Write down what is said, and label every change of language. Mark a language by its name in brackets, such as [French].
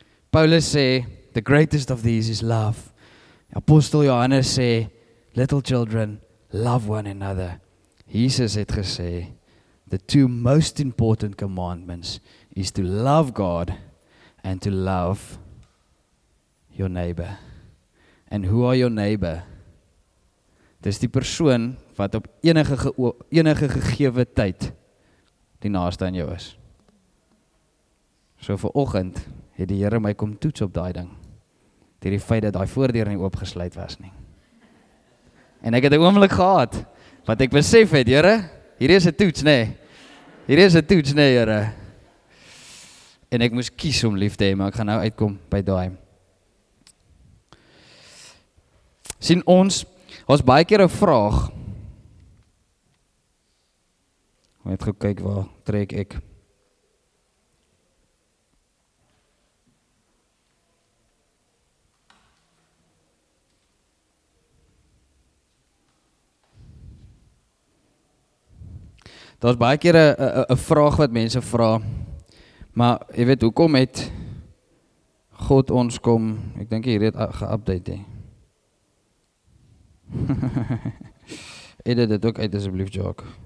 [Afrikaans] Paulus sê, [English] the greatest of these is love. [Afrikaans] Apostel Johannes sê, [English] little children, love one another. [Afrikaans] Jesus het gesê, [English] the two most important commandments is to love God and to love your neighbor. And who are your neighbor? [Afrikaans] Dis die persoon wat op enige gegewe tyd die naaste aan jou is. So vanoggend het die Here my kom toets op daai ding. Deur die feit dat daai voordeur nie oopgesluit was nie. En ek het 'n oomblik gehad wat ek besef het, Here, hierdie is 'n toets nê. Here. En ek moes kies om lief te hê, maar ek gaan nou uitkom by daai. Sien ons, ons baie keer 'n vraag. Ek het gekyk waar trek ek. Daar is baie keer 'n vraag wat mense vra. Maar jy weet hoekom het God ons kom? Ek dink hier het ge-update hè. Edit dit ook uit asseblief, Jock.